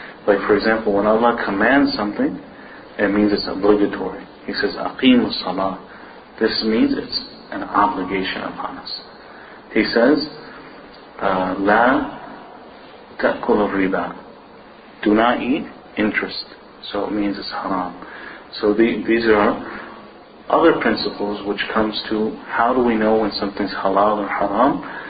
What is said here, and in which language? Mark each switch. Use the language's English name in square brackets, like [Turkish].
[English] Like for example, when Allah commands something, it means it's obligatory. He says, [Arabic] أَقِيمُ الصَّلَاةِ. [English] This means it's an obligation upon us. He says, [Arabic] لَا تَأْكُلُ الرِّبَا. [English] Do not eat interest. So it means it's haram. So these are other principles, which comes to how do we know when something's halal or haram?